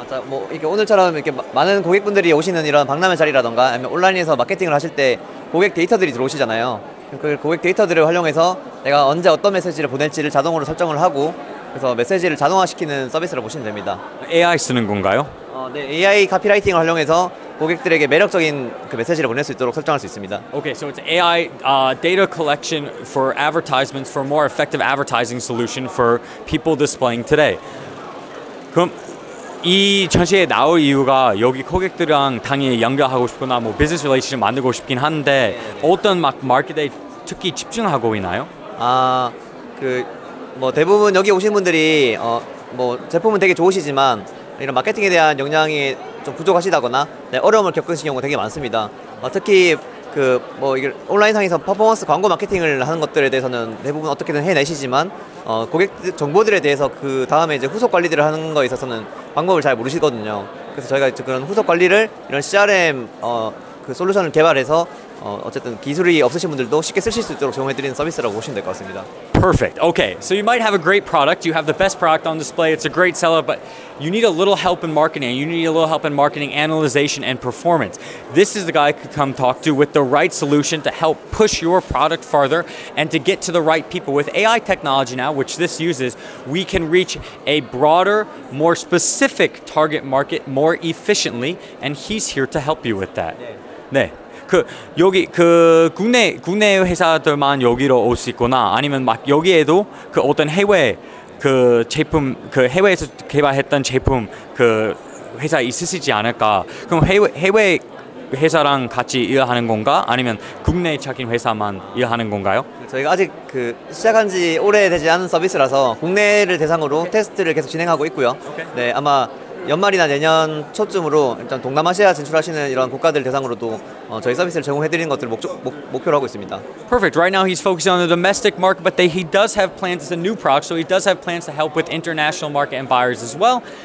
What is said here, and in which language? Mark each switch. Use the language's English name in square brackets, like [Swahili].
[Korean] 자, 뭐 이렇게 오늘처럼 이렇게 많은 고객분들이 오시는 이런 박람회 자리라던가 아니면 온라인에서 마케팅을 하실 때 고객 데이터들이 들어오시잖아요. 그 고객 데이터들을 활용해서 내가 언제 어떤 메시지를 보낼지를 자동으로 설정을 하고 그래서 메시지를 자동화시키는 서비스를 보시면 됩니다. AI 쓰는 건가요? 네, AI 카피라이팅을 활용해서 고객들에게 매력적인 그 메시지를 보낼 수 있도록 설정할 수 있습니다. [English] Okay, so it's AI data collection for advertisements for more effective advertising solution for people displaying today. [Korean] 그럼 이 전시회에 나올 이유가 여기 고객들이랑 당연히 연결하고 싶거나 뭐 비즈니스 릴레이션 만들고 싶긴 한데 어떤 막 마켓에 특히 집중하고 있나요? 아, 그 뭐 대부분 여기 오신 분들이 뭐 제품은 되게 좋으시지만 이런 마케팅에 대한 역량이 좀 부족하시다거나 네, 어려움을 겪으신 경우가 되게 많습니다. 특히 그 뭐 이게 온라인상에서 퍼포먼스 광고 마케팅을 하는 것들에 대해서는 대부분 어떻게든 해내시지만 고객 정보들에 대해서 그 다음에 이제 후속 관리들을 하는 거에 있어서는 방법을 잘 모르시거든요. 그래서 저희가 이제 그런 후속 관리를 이런 CRM 그 솔루션을 개발해서 어쨌든 기술이 없으신 분들도 쉽게 쓰실 수 있도록 제공해드리는 서비스라고 보시면 될 것 같습니다. [English] Perfect. Okay. So you might have a great product. You have the best product on display. It's a great seller, but you need a little help in marketing. You need a little help in marketing, analyzation, and performance. This is the guy I could come talk to with the right solution to help push your product farther and to get to the right people. With AI technology now, which this uses, we can reach a broader, more specific target market more efficiently, and he's here to help you with that. [Korean] 네. 그 여기 그 국내 회사들만 여기로 올 수 있거나 아니면 막 여기에도 그 어떤 해외 그 제품 그 해외에서 개발했던 제품 그 회사 있으시지 않을까? 그럼 해외 회사랑 같이 일하는 건가? 아니면 국내 자기 회사만 일하는 건가요? 저희가 아직 그 시작한 지 오래 되지 않은 서비스라서 국내를 대상으로 테스트를 계속 진행하고 있고요. 네, 아마 연말이나 내년 초쯤으로 일단 동남아시아 진출하시는 이런 국가들 대상으로도 저희 서비스를 제공해드리는 것들을 목표로 하고 있습니다. [English] Perfect. Right now he's focusing on the domestic market, but he does have plans. It's a new product, so he does have plans to help with international market and buyers as well.